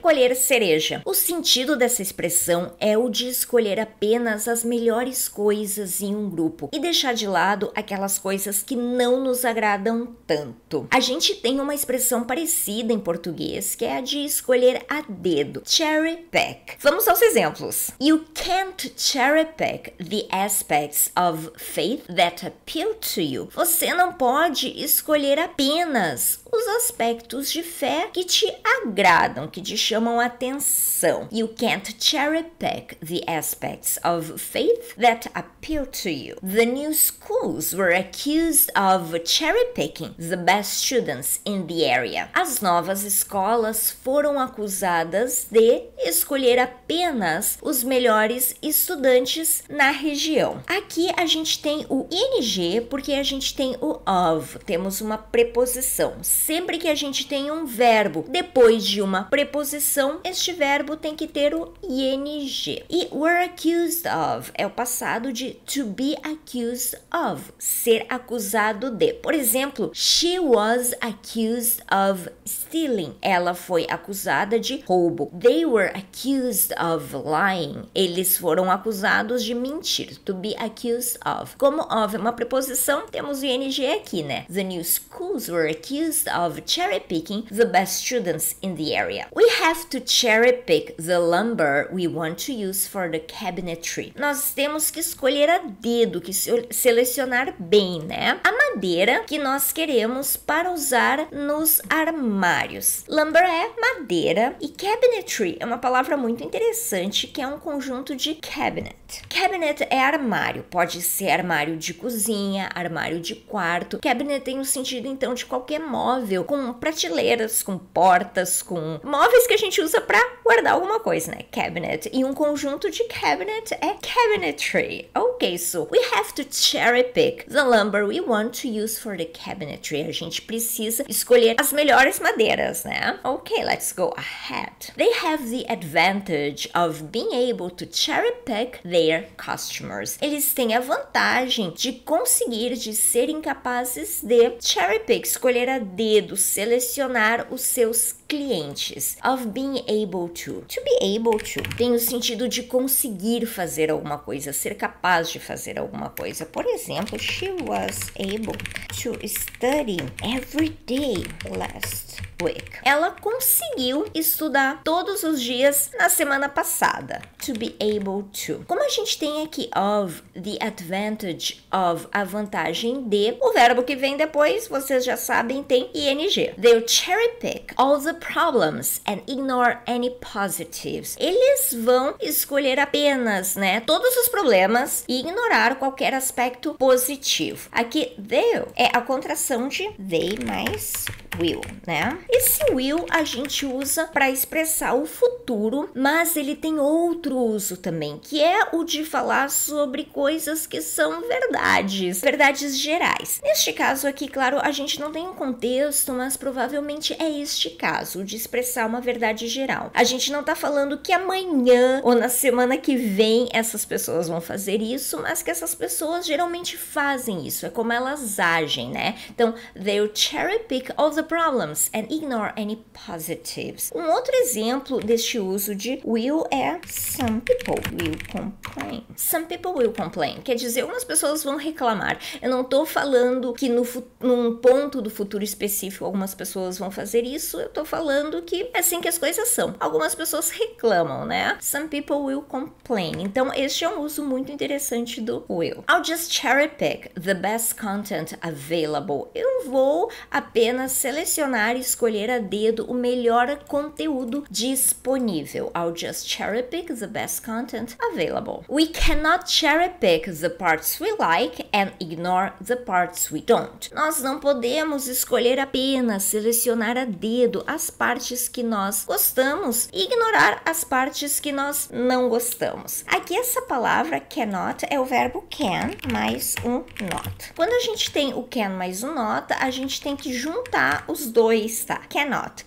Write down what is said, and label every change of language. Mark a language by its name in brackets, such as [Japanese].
[Portuguese] Colher cereja. O sentido dessa expressão é o de escolher apenas as melhores coisas em um grupo e deixar de lado aquelas coisas que não nos agradam tanto. A gente tem uma expressão parecida em português, que é a de escolher a dedo. Cherry pick. Vamos aos exemplos. [English] You can't cherry pick the aspects of faith that appeal to you. [Portuguese] Você não pode escolher apenas os aspectos de fé que te agradam, que te chamam a atenção. [English] You can't cherry pick the aspects of faith that appeal to you. The new schools were accused of cherry picking the best students in the area. [Portuguese] As novas escolas foram acusadas de escolher apenas os melhores estudantes na região. Aqui a gente tem o ing porque a gente tem o of. Temos uma preposição. Sempre que a gente tem um verbo depois de uma preposição, este verbo tem que ter o ing. E [English] were accused of [Portuguese] é o passado de [English] to be accused of, [Portuguese] ser acusado de. Por exemplo, [English] she was accused of stealing. [Portuguese] Ela foi acusada de roubo. [English] They were accused of lying. [Portuguese] Eles foram acusados de mentir. [English] To be accused of. [Portuguese] Como of é uma preposição, temos o ing aqui, né? [English] The new schools were accused of cherry picking the best students in the area. We have to cherry pick the lumber we want to use for the cabinetry. [Portuguese] Nós temos que escolher a dedo, que selecionar bem, né? A madeira que nós queremos para usar nos armários. Lumber é madeira e cabinetry é uma palavra muito interessante, que é um conjunto de cabinet. Cabinet é armário, pode ser armário de cozinha, armário de quarto. Cabinet tem o sentido, então, de qualquer móvel, com prateleiras, com portas, com móveis que a gente usa para guardar alguma coisa, né? Cabinet. E um conjunto de cabinet é cabinetry. [English] Ok, so we have to cherry pick the lumber we want to use for the cabinetry. [Portuguese] A gente precisa escolher as melhores madeiras, né? [English] Ok, let's go ahead. They have the advantage of being able to cherry pick their customers. [Portuguese] Eles têm a vantagem de conseguir, de serem capazes de cherry pick, escolher a dedo, selecionar os seus clientes. [English] Of being able to. To be able to [Portuguese] tem o sentido de conseguir fazer alguma coisa, ser capaz de fazer alguma coisa. Por exemplo, [English] she was able to study every day last week. [Portuguese] Ela conseguiu estudar todos os dias na semana passada. [English] To be able to. [Portuguese] Como a gente tem aqui of, [English] the advantage of, [Portuguese] a vantagem de, o verbo que vem depois, vocês já sabem, tem ing. [English] They'll cherry pick all the problems and ignore any positives. [Portuguese] Eles vão escolher apenas, né, todos os problemas e ignorar qualquer aspecto positivo. Aqui, they'll é a contração de they mais will, né? Esse will a gente usa para expressar o futuro, mas ele tem outro uso também, que é o de falar sobre coisas que são verdades, verdades gerais. Neste caso aqui, claro, a gente não tem um contexto, mas provavelmente é este caso, o de expressar uma verdade geral. A gente não tá falando que amanhã ou na semana que vem essas pessoas vão fazer isso, mas que essas pessoas geralmente fazem isso, é como elas agem, né? Então, [English] they'll cherry pick all the problems and ignore any positives. [Portuguese] Um outro exemplo deste uso de will é [English] some people will complain. Some people will complain. [Portuguese] Quer dizer, algumas pessoas vão reclamar. Eu não tô falando que num ponto do futuro específico algumas pessoas vão fazer isso. Eu tô falando que é assim que as coisas são. Algumas pessoas reclamam, né? [English] Some people will complain. [Portuguese] Então, este é um uso muito interessante do will. [English] I'll just cherry pick the best content available. [Portuguese] Eu vou apenas selecionar e escolher a dedo o melhor conteúdo disponível. [English] I'll just cherry pick the best content available. We cannot cherry pick the parts we like and ignore the parts we don't. [Portuguese] Nós não podemos escolher apenas, selecionar a dedo as partes que nós gostamos e ignorar as partes que nós não gostamos. Aqui essa palavra cannot é o verbo can mais um not. Quando a gente tem o can mais um not, a gente tem que juntar os dois, tá? Cannot.